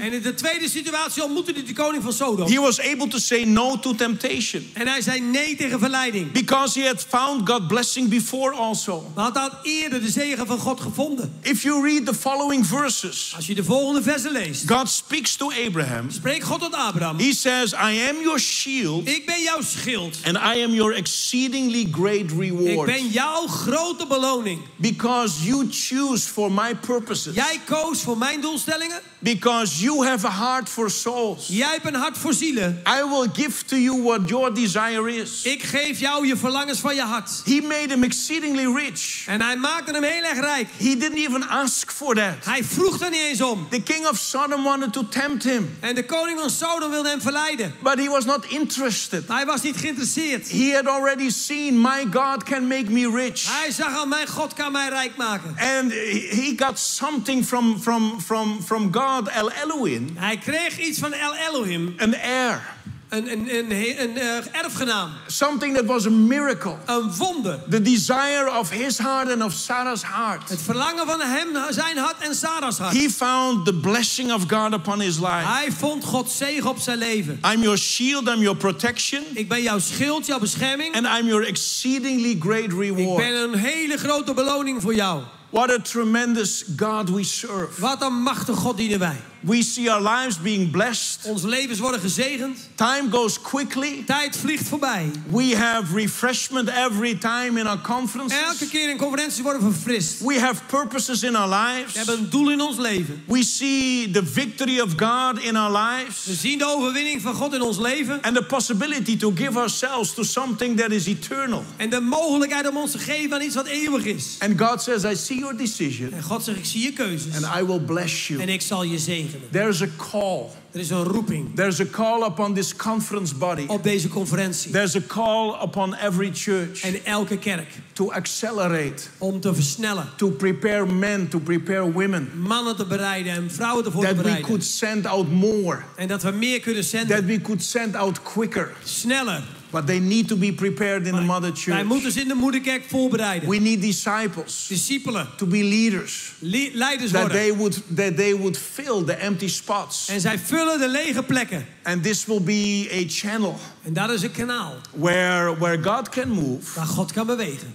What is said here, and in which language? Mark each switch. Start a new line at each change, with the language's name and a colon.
Dutch: En in de tweede situatie ontmoette hij de koning van Sodom.
English: He was able to say no to temptation.
Dutch: En hij zei nee tegen verleiding.
English: Because he had found God's blessing before also.
Dutch: Maar had eerder de zegen van God gevonden.
English: If you read the following verses.
Dutch: Als je de volgende versen leest.
English: God speaks to Abraham.
Dutch: Spreekt God tot Abraham.
English: He says, I am your shield.
Dutch: Ik ben jouw schild.
English: And I am your exceedingly great reward.
Dutch: Ik ben jouw grote beloning.
English: Because you choose for my purposes.
Dutch: Jij koos voor mijn doelstellingen.
English: Because you have a heart for souls.
Dutch: Jij hebt een hart voor zielen.
English: I will give to you what your desire is.
Dutch: Ik geef jou je verlangens van je hart.
English: He made him exceedingly rich.
Dutch: En hij maakte hem heel erg rijk.
English: He didn't even ask for that.
Dutch: Hij vroeg er niet eens om.
English: The king of Sodom wanted to tempt him.
Dutch: En de koning van Sodom wilde hem verleiden.
English: But he was not interested.
Dutch: Hij was niet geïnteresseerd.
English: He had already seen my God can make me rich.
Dutch: Hij zag al mijn God kan mij rijk maken.
English: And he got something from God. El Elohim,
Dutch: hij kreeg iets van El Elohim.
English: An heir.
Dutch: Een erfgenaam.
English: Something that was a miracle.
Dutch: Een wonder.
English: The desire of his heart and of Sarah's heart.
Dutch: Het verlangen van hem, zijn hart en Sarah's hart.
English: He found the blessing of God upon his life.
Dutch: Hij vond Gods zegen op zijn leven.
English: I'm your shield, I'm your protection.
Dutch: Ik ben jouw schild, jouw bescherming.
English: And I'm your exceedingly great reward.
Dutch: Ik ben een hele grote beloning voor jou.
English: What a tremendous God we serve.
Dutch: Wat een machtige God dienen wij.
English: We see our lives being blessed.
Dutch: Ons levens worden gezegend.
English: Time goes quickly.
Dutch: Tijd vliegt voorbij.
English: We have refreshment every time in our conferences.
Dutch: Elke keer in conferenties worden we verfrist.
English: We have purposes in our lives.
Dutch: We hebben een doel in ons leven.
English: We see the victory of God in our lives.
Dutch: We zien de overwinning van God in ons leven.
English: And the possibility to give ourselves to something that is eternal.
Dutch: En de mogelijkheid om ons te geven aan iets wat eeuwig is.
English: And God says, I see your decision.
Dutch: En God zegt, ik zie je keuzes.
English: And I will bless you.
Dutch: En ik zal je zegenen.
English: There is a call.
Dutch: Er is een roeping.
English: There's a call upon this conference body.
Dutch: Op deze conferentie.
English: There's a call upon every church.
Dutch: En elke kerk.
English: To accelerate.
Dutch: Om te versnellen.
English: To prepare men, to prepare women.
Dutch: Mannen te bereiden en vrouwen te voorbereiden.
English: That we could send out more.
Dutch: En dat we meer kunnen zenden.
English: That we could send out quicker.
Dutch: Sneller.
English: But they need to be prepared in the mother church.
Dutch: Wij moeten ze in de moederkerk voorbereiden.
English: We need disciples.
Dutch: Discipelen.
English: To be leaders.
Dutch: Leiders
English: that
Dutch: worden.
English: That they would fill the empty spots.
Dutch: En zij vullen de lege plekken.
English: And this will be a channel.
Dutch: En dat is een kanaal.
English: Where God can move.
Dutch: Waar God kan bewegen.